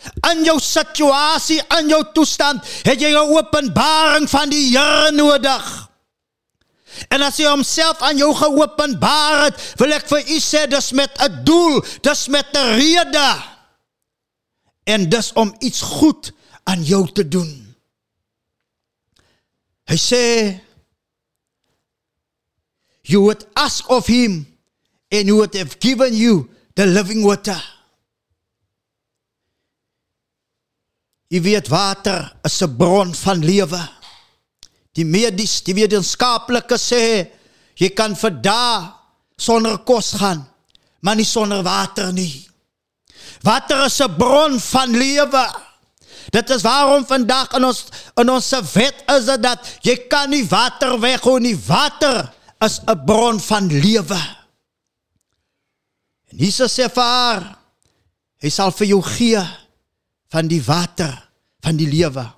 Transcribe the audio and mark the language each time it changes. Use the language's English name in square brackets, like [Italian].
[Afrikaans] In jou situasie, in jou toestand, het jy een openbaring van die Heere nodig. En as jy homself aan jou geopenbaar het, wil ek vir u sê, dis met een doel, dis met een rede. En dis om iets goed aan jou te doen. Hy sê, [English] you would ask of him, and he would have given you the living water. [Afrikaans] Jy weet, water is een bron van lewe. Die medies, die wetenskaplike sê, jy kan vir daar sonder kos gaan, maar nie sonder water nie. Water is een bron van lewe. Dit is waarom vandag in ons wet is het dat, jy kan nie water weggooi nie. Water is een bron van lewe. En Jesus sê vir haar, hy sal vir jou gee, van die water, van die lewe.